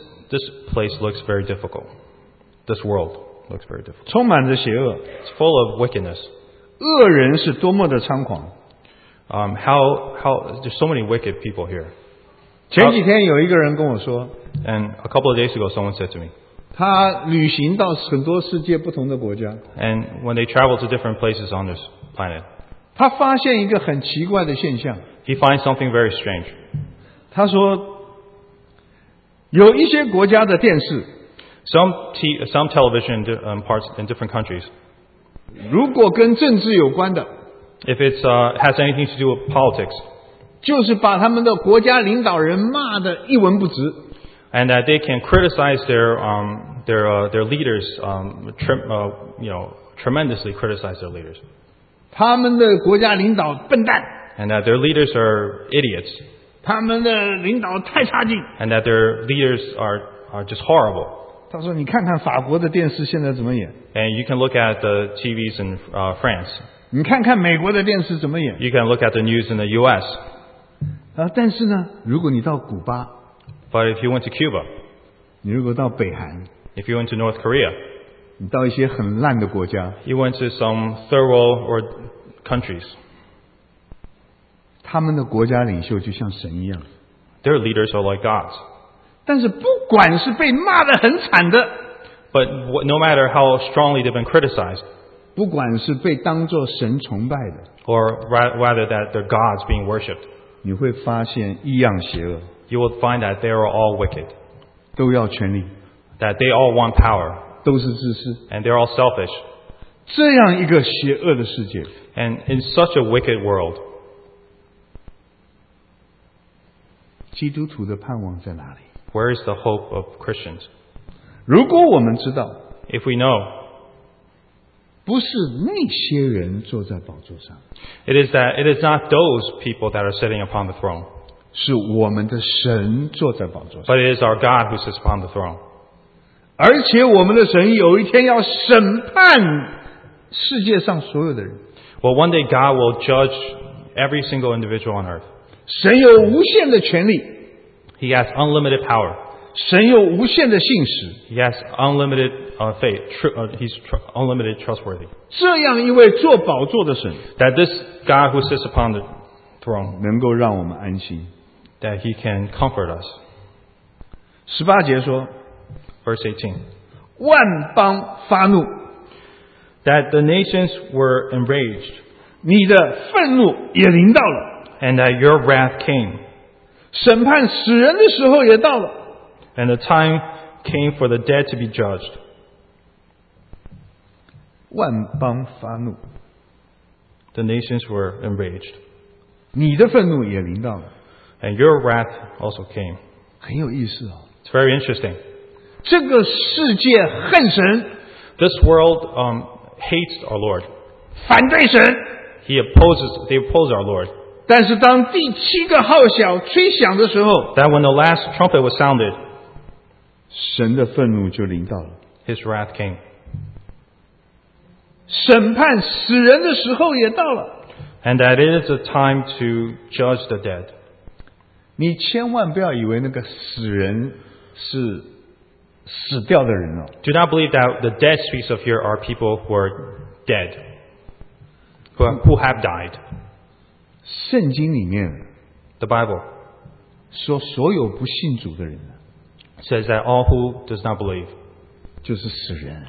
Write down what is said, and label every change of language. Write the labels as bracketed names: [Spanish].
[English] This place looks very difficult. This world looks very difficult. [Chinese] 充满着邪恶。 [English] It's full of wickedness. [Chinese] 恶人是多么的猖狂。 [English] How there's so many wicked people here. [Chinese] 前几天有一个人跟我说。 [English] And a couple of days ago, someone said to me. [Chinese] 他旅行到很多世界不同的国家。 [English] And when they travel to different places on this planet, [Chinese] 他发现一个很奇怪的现象。 [English] He finds something very strange. [Chinese] 他说，有一些国家的电视。 [English] Some television parts in different countries. [Chinese] 如果跟政治有关的。 [English] If it has anything to do with politics. [Chinese] 就是把他们的国家领导人骂得一文不值。 [English] And that they can criticize their leaders, tremendously criticize their leaders. [Chinese] 他们的国家领导笨蛋。 [English] And that their leaders are idiots. [Chinese] 他们的领导太差劲。 [English] And that their leaders are just horrible. [Chinese] 他说你看看法国的电视现在怎么演。 [English] And you can look at the TVs in France. [Chinese] 你看看美国的电视怎么演。 [English] You can look at the news in the US. [Chinese] 但是呢，如果你到古巴。 [English] But if you went to Cuba, [Chinese] 你如果到北韩, [English] if you went to North Korea, [Chinese] 你到一些很烂的国家, [English] you went to some third world or countries, [Chinese] 他们的国家领袖就像神一样, [English] their leaders are like gods. [Chinese] 但是不管是被骂得很惨的, [English] but no matter how strongly they've been criticized, [Chinese] 不管是被当作神崇拜的, [English] or rather that their gods being worshipped, [Chinese] 你会发现异样邪恶。 [English] You will find that they are all wicked. [Chinese] 都要权力, [English] that they all want power. [Chinese] 都是自私, [English] and they're all selfish. [Chinese] 这样一个邪恶的世界, [English] and in such a wicked world, [Chinese] 基督徒的盼望在哪里? [English] Where is the hope of Christians? [Chinese] 如果我们知道, [English] if we know, [Chinese] 不是那些人坐在宝座上, [English] it is not those people that are sitting upon the throne. [Chinese] 是我们的神坐在宝座上。 [English] But it is our God who sits upon the throne. [Chinese] 而且我们的神有一天要审判世界上所有的人。 [English] Well, one day God will judge every single individual on earth. [Chinese] 神有无限的权力。 [English] He has unlimited power. [Chinese] 神有无限的信实。 [English] He has unlimited faith. He's unlimited trustworthy. [Chinese] 这样一位坐宝座的神。 [English] That this God who sits upon the throne, [Chinese] 能够让我们安心。 [English] That he can comfort us. [Chinese] 十八节说 [English] Verse 18. [Chinese] 万邦发怒。 [English] That the nations were enraged. [Chinese] 你的愤怒也临到了。 [English] And that your wrath came. [Chinese] 审判死人的时候也到了。 [English] And the time came for the dead to be judged. [Chinese] 万邦发怒。 [English] The nations were enraged. [Chinese] 你的愤怒也临到了。 [English] And your wrath also came. [Chinese] 很有意思哦。 [English] It's very interesting. [Chinese] 这个世界恨神。 [English] This world hates our Lord. [Chinese] 反对神。 [English] They oppose our Lord. [Chinese] 但是当第七个号角吹响的时候。 [English] That when the last trumpet was sounded. [Chinese] 神的愤怒就临到了。 [English] His wrath came. [Chinese] 审判死人的时候也到了。 [English] And that it is a time to judge the dead. [Chinese] 你千万不要以为那个死人是死掉的人哦。 [English] Do not believe that the dead speaks of here are people who are dead, who have died. [Chinese] 圣经里面 [English] the Bible [Chinese] 说所有不信主的人 [English] says that all who does not believe [Chinese] 就是死人